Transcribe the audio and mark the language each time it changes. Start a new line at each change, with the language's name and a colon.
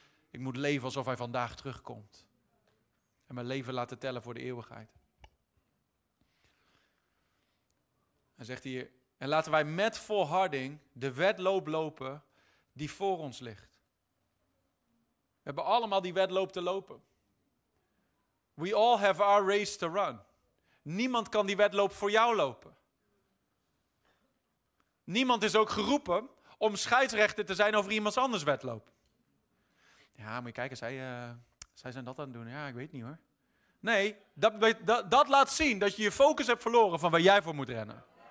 Dutch: Ik moet leven alsof hij vandaag terugkomt. En mijn leven laten tellen voor de eeuwigheid. En zegt hij, en laten wij met volharding de wedloop lopen die voor ons ligt. We hebben allemaal die wedloop te lopen.
English: We all have our race to run.
Dutch: Niemand kan die wedloop voor jou lopen. Niemand is ook geroepen om scheidsrechter te zijn over iemands anders wedloop. Ja, moet je kijken, zij zijn dat aan het doen. Ja, ik weet niet hoor. Nee, dat laat zien dat je je focus hebt verloren van waar jij voor moet rennen.